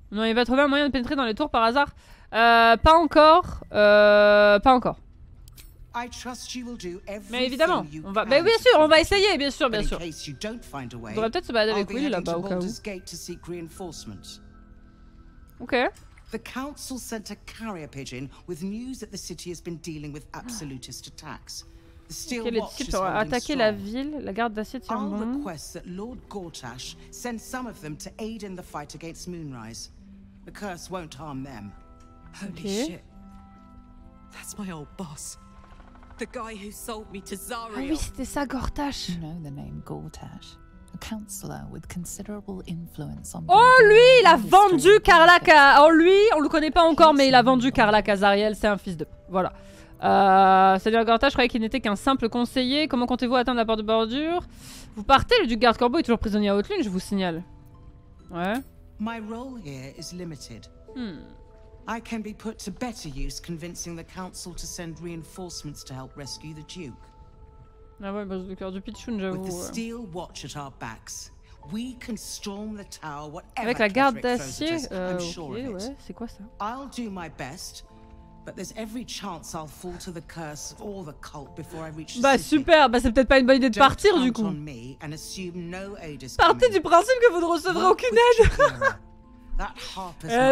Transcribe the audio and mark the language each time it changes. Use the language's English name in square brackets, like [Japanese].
[French] Non, il va trouver un moyen de pénétrer dans les tours par hasard. Pas encore. Pas encore. [English] I trust you will do everything. [French] Mais évidemment, on va. Mais bien sûr, on va essayer, bien sûr, bien sûr. On devrait peut-être se balader avec Will là-bas au cas où. Ok. [English] The council sent a carrier pigeon with news that the city has been dealing with absolutist attacks. [French] Okay, les types ont attaqué la ville, la garde d'acier tient bon. [English] I'll request that Lord Gortash send some of them to aid in the fight against Moonrise. The curse won't harm them. Holy shit. That's my old boss. The guy who sold me to Zariel. [French] Ah oui, c'était ça, Gortash. [English] You know the name Gortash. A counselor with considerable influence on... [French] Oh, lui, il a vendu Karlak à... Oh, lui, on le connaît pas encore, mais il a vendu Karlak à Zariel, c'est un fils de... Voilà. Seigneur Gortash, je croyais qu'il n'était qu'un simple conseiller. Comment comptez-vous atteindre la porte de bordure? Vous partez, le duc garde corbeau est toujours prisonnier à Haute Lune, je vous signale. Ouais. [English] My role here is limited. I can be put to better use convincing the council to send reinforcements to help rescue the duke. [French] Ah ouais, bah, le cœur du pitchoun, j'avoue. [English] With the steel watch at our backs, we can storm the tower whatever. [French] Avec la garde d'acier, ouais, c'est quoi ça? [English] I'll do my best. But there's every chance I'll fall to the curse or the cult before I reach the [French] city. Bah super, bah c'est peut-être pas une bonne idée de partir du coup. Partez du principe que vous ne recevrez aucune aide.